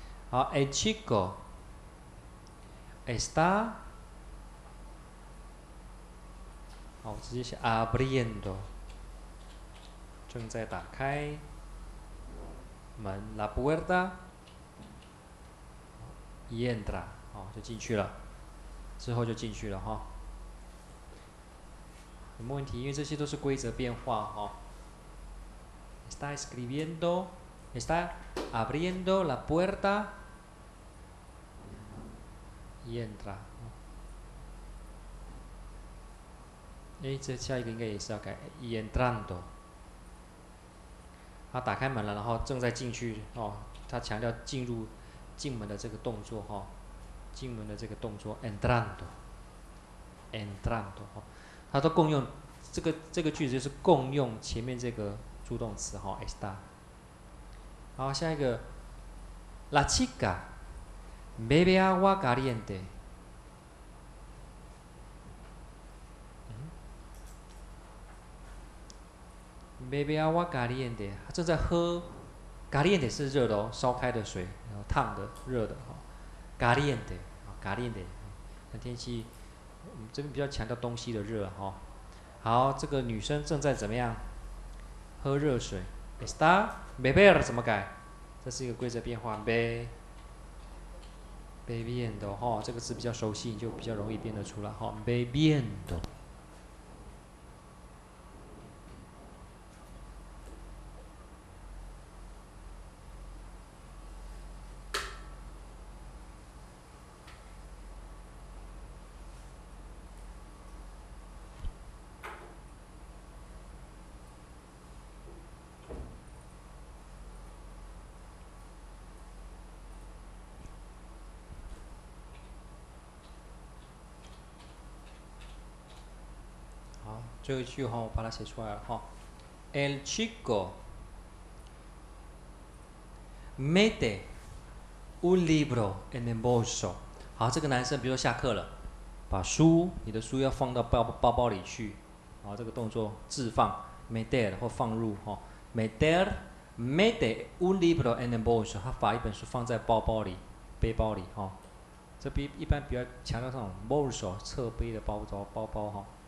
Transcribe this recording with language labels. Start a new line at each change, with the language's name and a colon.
Chinese: 好 ，el chico está， 好，我直接写 abriendo， 正在打开门 ，
Spanish: la puerta y entra，
Chinese: 好，就进去了，之后就进去了哈。有没有问题？因为这些都是规则变化哈。
Spanish: Está escribiendo, está abriendo la puerta y entra.
Chinese: 哎，这下一个应该也是要改
Spanish: y entrando。
Chinese: 他打开门了，然后正在进去哦。他强调进入进门的这个动作哈，进门的这个动作 entrando, entrando 哈。它都共用这个句子就是共用前面这个助动词哈 ，está。好，下一个
Spanish: ，la chica bebe agua caliente。 bebe agua caliente，
Chinese: 他正在喝 ，caliente 是热的哦，烧开的水，然后烫的，热的哈 ，caliente，caliente， 天气。我们这边比较强调东西的热哈、哦。好，这个女生正在怎么样？喝热水。 Está beber 怎么改？这是一个规则变化。 Bebiendo 哈、哦，这个字比较熟悉，你就比较容易变得出来哈、哦。
Spanish: Bebiendo。
Chinese: 最后一句我把它写出来了
Spanish: El chico mete un libro en el bolso。
Chinese: 好，这个男生比如说下课了，把书，你的书要放到包包里去。好，这个动作置放 meter 或放入 meter
Spanish: mete un libro en el bolso，
Chinese: 他把一本书放在包包里，背包里。这一般比较强调上 bolso 侧背的包包。